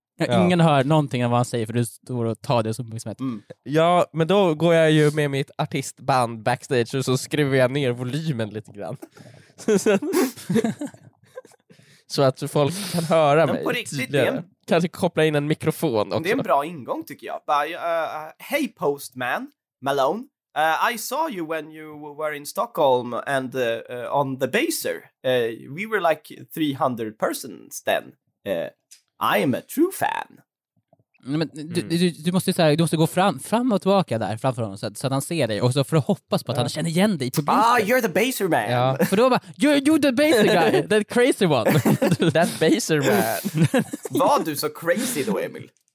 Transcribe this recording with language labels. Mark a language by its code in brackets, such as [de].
[sv] Ingen hör någonting av vad han säger för du står och tar det som uppmärksamhet. Mm. Ja, men då går jag ju med mitt artistband backstage och så skriver jag ner volymen lite grann. Så att folk kan höra mig. På riktigt, kanske koppla in en mikrofon också. Det är en bra ingång tycker jag. [en] Hey Postman Malone, I saw you when you were in Stockholm and on the Baser. We were like 300 persons then. I am a true fan. [sv] Men du måste säga, du måste gå fram och tillbaka där framför honom så att han ser dig och så får du hoppas på att han känner igen dig på bilden. [en] Ah, you're the baser man. [sv] Ja, för då bara, [en] you're the baser guy, the crazy one. That baser man. [sv] Var du så crazy då, Emil?